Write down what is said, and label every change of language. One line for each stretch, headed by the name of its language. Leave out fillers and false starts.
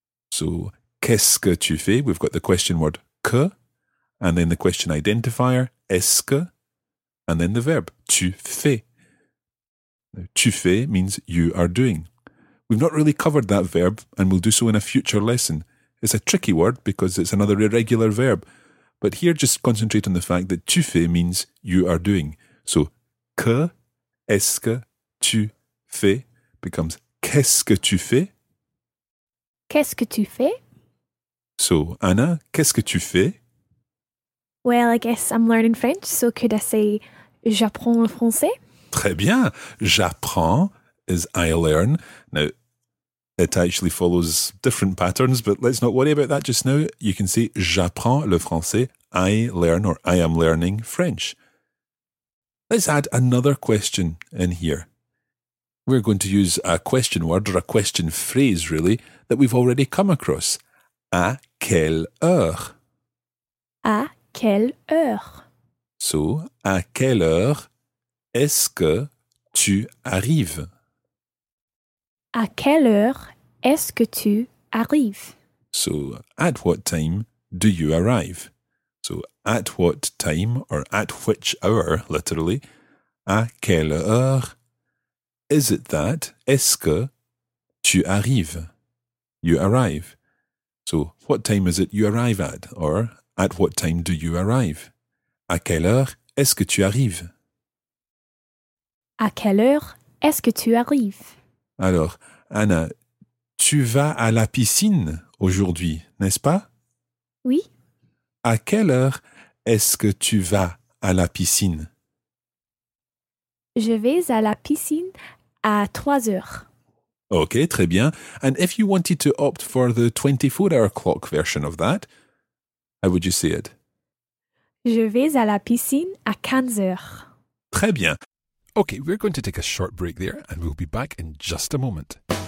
English: So qu'est-ce que tu fais, we've got the question word que, and then the question identifier, est-ce que, and then the verb, tu fais. Now, tu fais means you are doing. We've not really covered that verb, and we'll do so in a future lesson. It's a tricky word because it's another irregular verb. But here, just concentrate on the fact that tu fais means you are doing. So,
French: que est-ce que tu fais
English: becomes
French: qu'est-ce que tu fais? Qu'est-ce que tu fais?
English: So,
French: Anna, qu'est-ce que tu fais?
English: Well, I guess I'm learning French, so could I say
French: j'apprends le français? Très bien.
English: J'apprends is I learn. Now, it actually follows different patterns, but let's not worry about that just now. You can say
French: j'apprends le français,
English: I learn, or I am learning French. Let's add another question in here. We're going to use a question word, or a question phrase, really, that we've already come across.
French: À quelle heure? À quelle heure?
English: So,
French: à quelle heure est-ce que tu arrives? À quelle heure est-ce que tu arrives?
English: So, at what time do you arrive? So, at what time, or at which hour, literally, à quelle heure is it that, est-ce que, tu arrives, you arrive. So, what time is it you arrive at, or at what time do you arrive?
French: À quelle heure est-ce que tu arrives? À quelle heure est-ce que tu arrives? Alors, Anna, tu vas à la piscine aujourd'hui, n'est-ce pas? Oui. À quelle heure est-ce que tu vas à la piscine? Je vais à la piscine à 3 heures. Ok, très bien.
English: And if you wanted to opt for the 24-hour clock version of that, how would you say it?
French: Je vais à la piscine à 15 heures. Très bien.
English: Ok, we're going to take a short break there and we'll be back in just a moment.